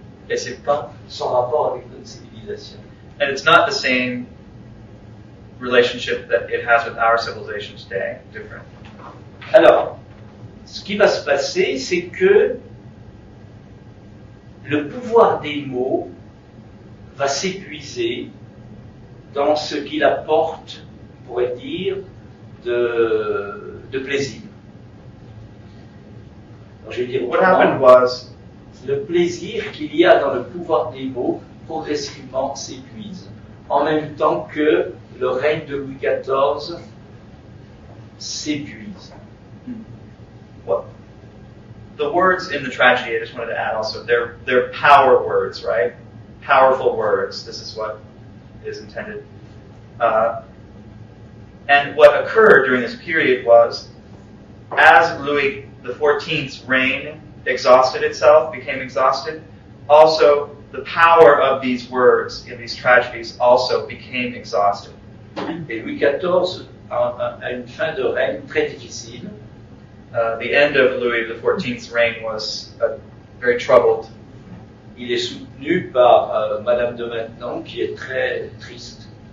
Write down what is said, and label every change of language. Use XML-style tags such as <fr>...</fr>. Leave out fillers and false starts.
<fr>Et c'est pas sans rapport avec d'autres civilisations.</fr> <en>And it's not the same relationship that it has with our civilization today, different.</en> <fr>Alors, ce qui va se passer, c'est que le pouvoir des mots va s'épuiser dans ce qu'il apporte, on pourrait dire, de plaisir. Alors, je vais dire,</fr> <en>what happened was,</en> <fr>le plaisir qu'il y a dans le pouvoir des mots progressivement s'épuise, en même temps que le règne de Louis XIV s'épuise.</fr> <en>The words in the tragedy, I just wanted to add also, they're power words, right? Powerful words, this is what is intended. And what occurred during this period was, as Louis XIV's reign exhausted itself, became exhausted, also the power of these words in these tragedies also became exhausted.</en> <fr>Et Louis XIV a une fin de règne très difficile.</fr> <en>The end of Louis XIV's reign was very troubled.</en> <fr>Il est soutenu par Madame de Maintenon, qui est très triste.</fr>